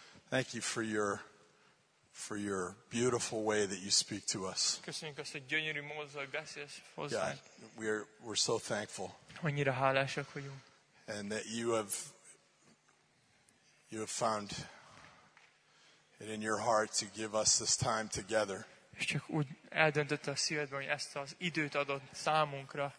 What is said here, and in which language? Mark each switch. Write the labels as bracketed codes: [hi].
[en] Thank you for your beautiful way that you speak to us. [hu] Köszönjük azt a gyönyörű módot, hogy beszélsz hozzánk. [en] God, we're so thankful. [hu] Annyira hálásak vagyunk. [en] And that you have found it in your heart to give us this time together. [hu] És csak úgy eldöntötte a szívedben, hogy ezt az időt adott számunkra.